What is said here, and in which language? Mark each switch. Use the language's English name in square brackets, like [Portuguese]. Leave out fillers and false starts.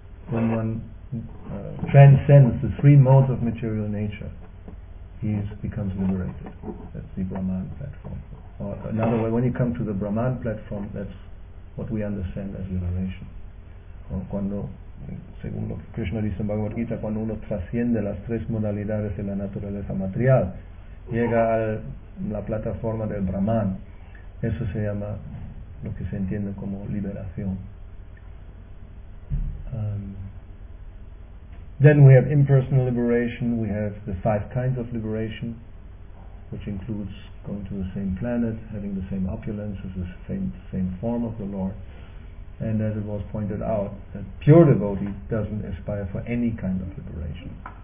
[English] When one transcends the three modes of material nature, he becomes liberated. That's the Brahman platform. Or another way, when you come to the Brahman platform, that's what we understand as liberation. [Spanish] Or cuando, según lo que Krishna dice en Bhagavad Gita, cuando uno trasciende las tres modalidades de la naturaleza material, llega a la plataforma del Brahman, eso se llama lo que se entiende como liberación. [English] Then we have impersonal liberation, we have the five kinds of liberation, which includes going to the same planet, having the same opulence, as the same form of the Lord. And as it was pointed out, a pure devotee doesn't aspire for any kind of liberation.